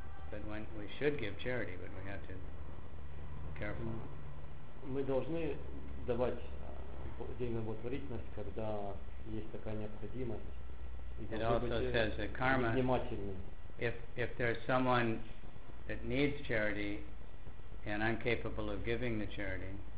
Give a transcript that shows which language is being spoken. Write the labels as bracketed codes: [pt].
[en] But when we should give charity, but we have to be careful. [ru] Мы должны давать деньги на благотворительность, когда есть такая необходимость. [en] It also says that karma, if there's someone that needs charity, and I'm capable of giving the charity.